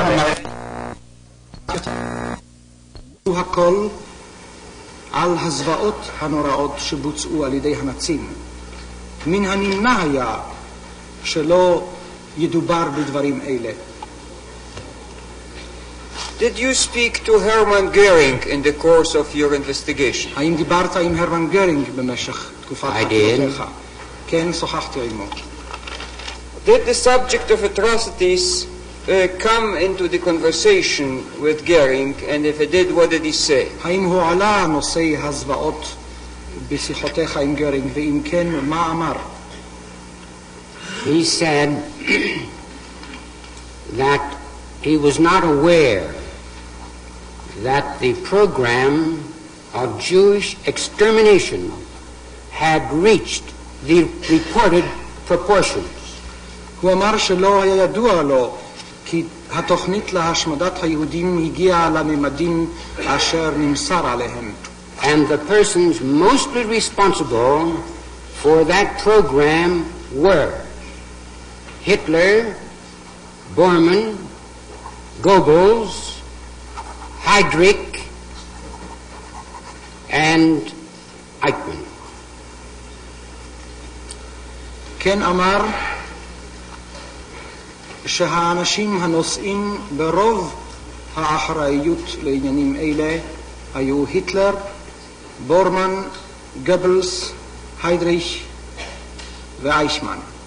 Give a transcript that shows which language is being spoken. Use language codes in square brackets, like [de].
[he] המערכת הוא הכל על הזוועות הנוראות שבוצעו על ידי הנאצים. מן הנמנע היה שלא ידובר בדברים אלה. [en] Did you speak to Hermann Göring in the course of your investigation? [he] האם דיברת עם הרמן גרינג במשך תקופת חקירותיך? כן, שוחחתי עמו. [en] Did the subject of atrocities come into the conversation with Göring, and if it did, what did he say? [he] האם הוא עלה נושאי הזוועות בשיחותיך עם גרינג, ואם כן, מה אמר? [en] He said that he was not aware that the program of Jewish extermination had reached the reported proportions. [he] הוא אמר שלא היה ידוע לו כי התוכנית להשמדת היהודים הגיעה לממדים אשר נמסר עליהם. [en] And the persons mostly responsible for that program were Hitler, Bormann, Goebbels, Heydrich, and Eichmann. [he] Ken Amar, שהאנשים הנושאים ברוב האחראיות לעניינים אלה היו היטלר, בורמן, גבלס, היידריך ואיישמן.